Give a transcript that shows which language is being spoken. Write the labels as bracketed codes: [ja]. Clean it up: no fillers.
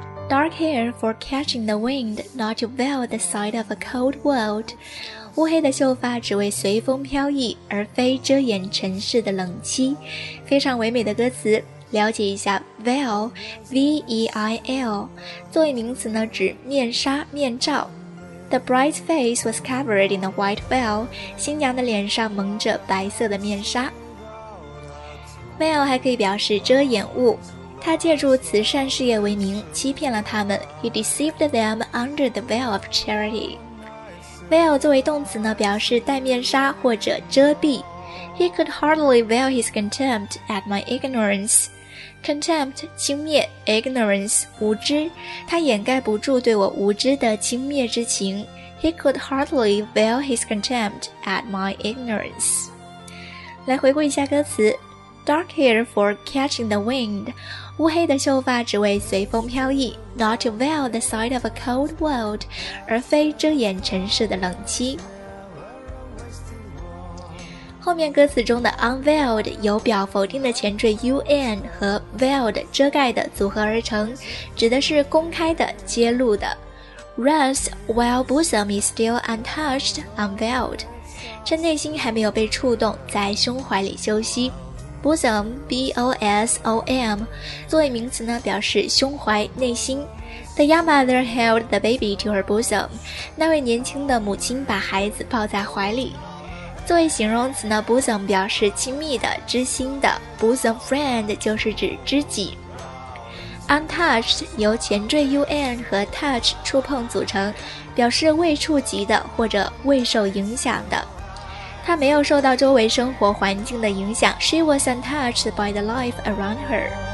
[en] Dark hair for catching the wind, not to veil the sight of a cold world. [zh] 乌黑的秀发只为随风飘逸，而非遮掩尘世的冷凄。非常唯美的歌词，了解一下 veil, V-E-I-L. 作为名词呢，指面纱、面罩。 [en] The bride's face was covered in a white veil. [zh] 新娘的脸上蒙着白色的面纱。Veil 还可以表示遮掩物。他借助慈善事业为名欺骗了他们。 [en] He deceived them under the veil of charity. [zh] Veil 作为动词呢，表示戴面纱或者遮蔽。 [en] He could hardly veil his contempt at my ignorance. [zh] Contempt 轻蔑， ignorance 无知，他掩盖不住对我无知的轻蔑之情。 [en] He could hardly veil his contempt at my ignorance. [zh] 来回顾一下歌词。 [en] Dark hair for catching the wind. [zh] 乌黑的秀发只为随风飘逸。 [en] Not to veil the sight of a cold world. [zh] 而非遮掩尘世的冷凄。后面歌词中的 unveiled 由表否定的前缀 un 和 veiled 遮盖的组合而成，指的是公开的、揭露的。 [en] Rest while bosom is still untouched, unveiled. [zh] 趁内心还没有被触动，在胸怀里休息。 Bosom, B-O-S-O-M, 作为名词呢，表示胸怀、内心。 [en] The young mother held the baby to her bosom. [zh] 那位年轻的母亲把孩子抱在怀里。作为形容词呢， bosom 表示亲密的、知心的。 Bosom friend 就是指知己。Untouched 由前缀 un 和 touch 触碰组成，表示未触及的或者未受影响的。她没有受到周围生活环境的影响。 [en] She was untouched by the life around her.